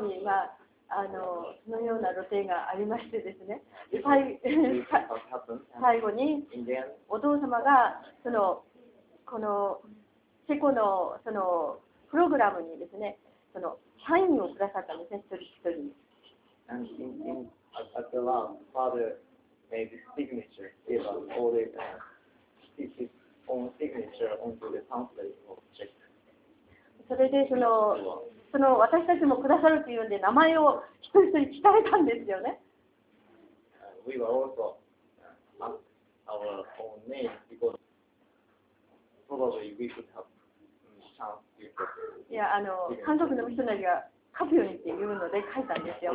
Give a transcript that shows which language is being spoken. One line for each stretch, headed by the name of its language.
Japanese: そのような露呈がありましてですね、最後にお父様がこのチェコ そのプログラムにですね、そのサインをくださったんですね、一人一人に。
English: At the last, father made a signature, gave us all the his own signature onto the pamphlet of Czech.
Japanese: それでその私たちもくださるというので名前を一人一人聞かれたんですよね。
English: We were also asked our own name because probably we could have chance to get.
Japanese: いや、韓国のミッショナリーが書くようにって言うので書いたんですよ。